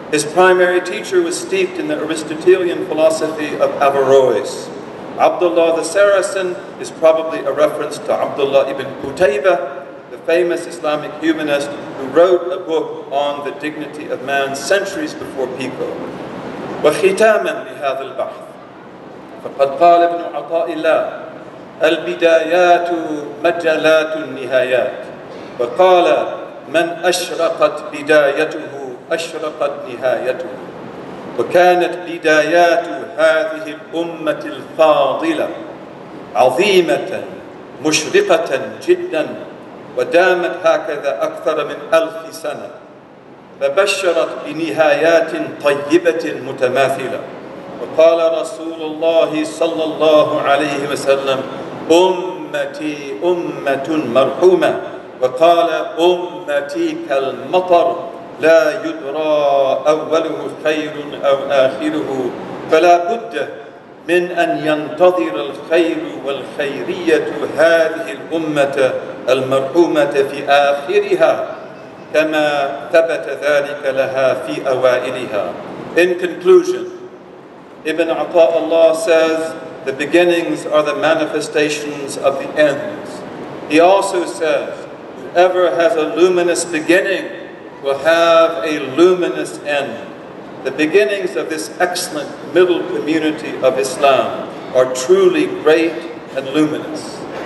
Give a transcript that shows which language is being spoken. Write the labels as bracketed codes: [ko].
[en] His primary teacher was steeped in the Aristotelian philosophy of Averroes. Abdullah the Saracen is probably a reference to Abdullah ibn Qutaybah, the famous Islamic humanist who wrote a book on the dignity of man centuries before Pico. [ar] وَخِتَامًا لِهَذَا الْبَحْثِ فَقَدْ قَالَ ابْنُ عَطَاءِ اللَّهِ الْبِدَايَاتُ مَجَلَاتُ النِّهَايَاتِ وَقَالَ مَنْ أَشْرَقَتْ بِدَايَتُهُ أشرقت نهايته وكانت بدايات هذه الأمة الفاضلة عظيمة مشرقة جدا ودامت هكذا أكثر من 1000 سنة فبشرت بنهايات طيبة متماثلة وقال رسول الله صلى الله عليه وسلم أمتي أمة مرحومة وقال أمتي كالمطر لا يدرى أوله خير أو آخره فلا بد من أن ينتظر الخير والخيرية هذه الأمة المرحومة في آخرها كما ثبت ذلك لها في أوائلها. [en] In conclusion, Ibn Ata'Allah says, the beginnings are the manifestations of the ends. He also says, whoever has a luminous beginning will have a luminous end. The beginnings of this excellent middle community of Islam are truly great and luminous.